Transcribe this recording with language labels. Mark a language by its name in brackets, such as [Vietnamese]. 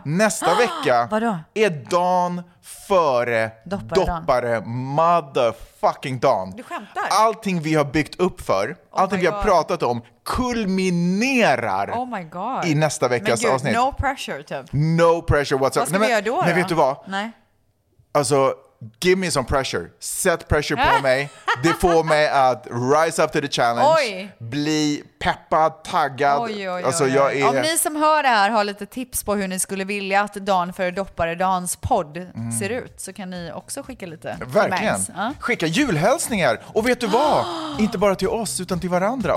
[Swedish] Nästa vecka... Vadå? Är dan före doppare. Motherfucking dan. Du skämtar. Allting vi har byggt upp för... Allting vi har pratat om kulminerar i nästa veckas avsnitt. [English] No pressure, [Swedish] typ. [English] No pressure whatsoever. [Swedish] Vad ska vi göra då? Men vet du vad? Nej. Alltså, [English] give me some pressure. [Swedish] Sätt pressure på mig. Det får mig att [English] rise up to the challenge. [Swedish] Oj. Bli peppad, taggad. Oj. Alltså, jag är... Om ni som hör det här har lite tips på hur ni skulle vilja att Dan för doppare Dans podd ser ut, så kan ni också skicka lite. Verkligen. Skicka julhälsningar. Och vet du vad? Inte bara till oss utan till varandra.